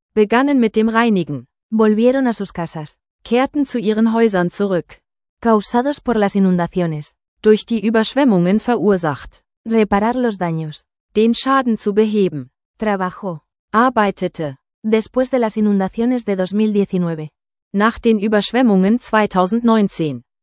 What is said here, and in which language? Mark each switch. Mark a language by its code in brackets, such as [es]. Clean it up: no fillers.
[de] Begannen mit dem Reinigen. [es] Volvieron a sus casas. [de] Kehrten zu ihren Häusern zurück. [es] Causados por las inundaciones. [de] Durch die Überschwemmungen verursacht. [es] Reparar los daños. [de] Den Schaden zu beheben. [es] Trabajó. [de] Arbeitete. [es] Después de las inundaciones de 2019. [de] Nach den Überschwemmungen 2019.